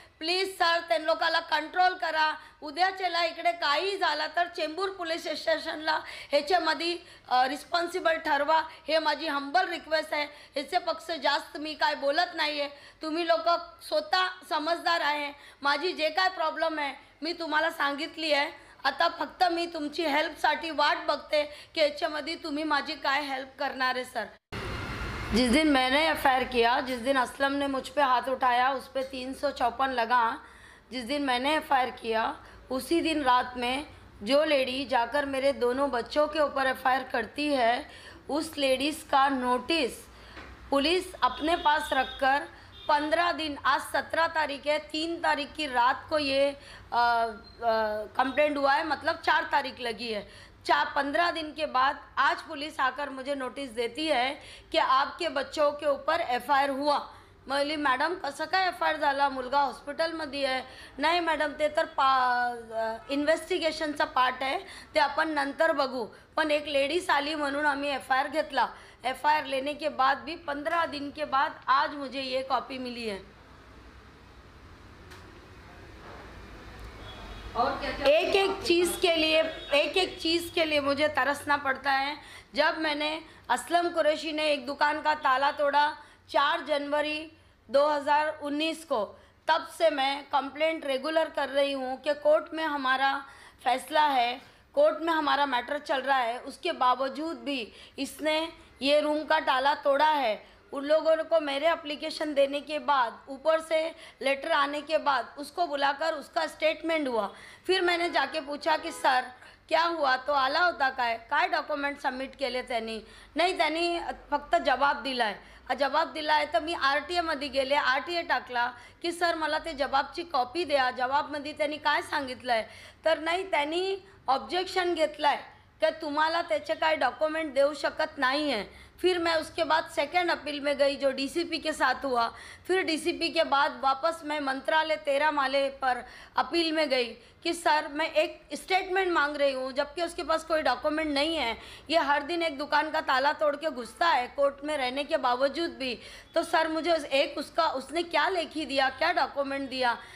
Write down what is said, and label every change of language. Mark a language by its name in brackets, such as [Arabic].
[Marathi] Please sir त्या लोकाला control करा, उद्याच्याला इकडे काही झाला तर चेंबूर पोलीस स्टेशनला ह्याच्यामध्ये रिस्पॉन्सिबल ठरवा, हे माझी हंबल रिक्वेस्ट आहे, ह्याचे पक्ष जास्त मी काय बोलत नाही आहे, तुम्ही लोक स्वतः समजदार आहे, माझी जे काय प्रॉब्लेम आहे मी तुम्हाला सांगितली आहे, आता फक्त मी तुमची हेल्प साठी वाट बघते की याच्यामध्ये तुम्ही माझी काय हेल्प करणार आहे सर। [Hindi] जिस दिन मैंने एफआयआर किया, जिस दिन असलम ने मुझ पे हाथ उठाया, उस पे 354 लगा, जिस दिन मैंने एफआयआर किया उसी दिन रात में जो लेडी जाकर मेरे दोनों बच्चों के ऊपर एफआयआर करती है, उस लेडीज़ का नोटिस पुलिस अपने पास रखकर 15 दिन, आज 17 तारीख है, 3 तारीख की रात को ये कंप्लेंट हुआ है, मतलब 4 तारीख लगी है, 15 दिन के बाद आज पुलिस आकर मुझे नोटिस देती है कि आपके बच्चों के ऊपर एफआयआर हुआ। [Marathi] मैली मैडम कसा का एफआयआर झाला, मुलगा हॉस्पिटल मध्ये आहे। नाही मॅडम, ते तर इन्व्हेस्टिगेशनचा पार्ट आहे, ते आपण नंतर बघू, पण एक लेडीज आली म्हणून आम्ही एफआयआर घेतला। [Hindi] एफआयआर लेने के बाद भी 15 दिन के बाद आज मुझे ये कॉपी मिली है। एक एक चीज के लिए, एक एक चीज के लिए मुझे तरसना पड़ता है। जब मैंने असलम कुरैशी ने एक दुकान का ताला तोड़ा 4 जनवरी 2019 को, तब से मैं कंप्लेंट रेगुलर कर रही हूँ कि कोर्ट में हमारा फैसला है, कोर्ट में हमारा मैटर चल रहा है, उसके बावजूद भी इसने ये रूम का ताला तोड़ा है। उन लोगों को मेरे एप्लीकेशन देने के बाद, ऊपर से लेटर आने के बाद, उसको बुलाकर उसका स्टेटमेंट हुआ। फिर मैंने जाके पूछा कि सर क्या हुआ, [Marathi] तो आला होता का है, काय डॉक्यूमेंट सबमिट केले त्यांनी, नाही त्यांनी फक्त जवाब दिला आहे। जवाब दिला आहे तर मी आरटीएमध्ये गेले, आरटीए टाकला की सर मला ते जवाबची कॉपी द्या, जवाबमध्ये त्यांनी काय सांगितलं आहे, तर नाही त्यांनी ऑब्जेक्शन घेतलं आहे की तुम्हाला त्याचे काय डॉक्युमेंट देऊ शकत नाही आहे। [Hindi] फिर मैं उसके बाद सेकंड अपील में गई, जो डीसीपी के साथ हुआ। फिर डीसीपी के बाद वापस मैं मंत्रालय 13 माले पर अपील में गई कि सर मैं एक स्टेटमेंट मांग रही हूँ, जबकि उसके पास कोई डॉक्यूमेंट नहीं है, ये हर दिन एक दुकान का ताला तोड़ के घुसता है कोर्ट में रहने के बावजूद भी, तो सर मुझे एक उसका उसने क्या लेखी दिया, क्या डॉक्यूमेंट दिया।